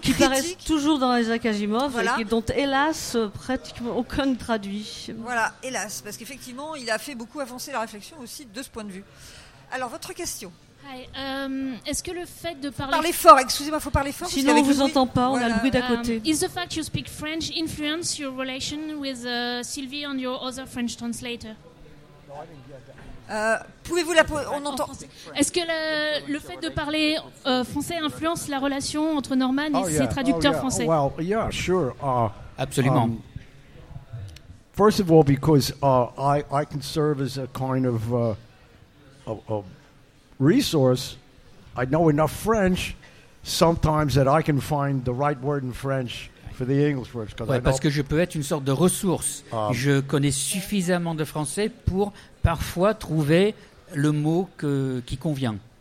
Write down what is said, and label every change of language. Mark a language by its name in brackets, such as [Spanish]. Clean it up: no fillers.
[French] qui paraissent toujours dans Isaac Asimov, voilà. Et dont hélas pratiquement aucun ne traduit. Voilà, hélas, parce qu'effectivement il a fait beaucoup avancer la réflexion aussi de ce point de vue. Alors votre question. Est-ce que le fait de parler... Parlez fort, excusez-moi, il faut parler fort. Sinon, on ne vous entend pas, on a le bruit d'à côté. [English] Is the fact you speak French influence your relation with Sylvie and your other French translator? [French] Pouvez-vous la poser? On entend... Est-ce que le fait de parler français influence la relation entre Norman et ses traducteurs français? [English] Well, yeah, sure. [French] Absolument. [English] First of all, because I can serve as a kind of... resource. I know enough French sometimes that I can find the right word in French for the English words. [French] Ouais, parce que je peux être une sorte de ressource. Je connais suffisamment de français pour parfois trouver le mot qui convient.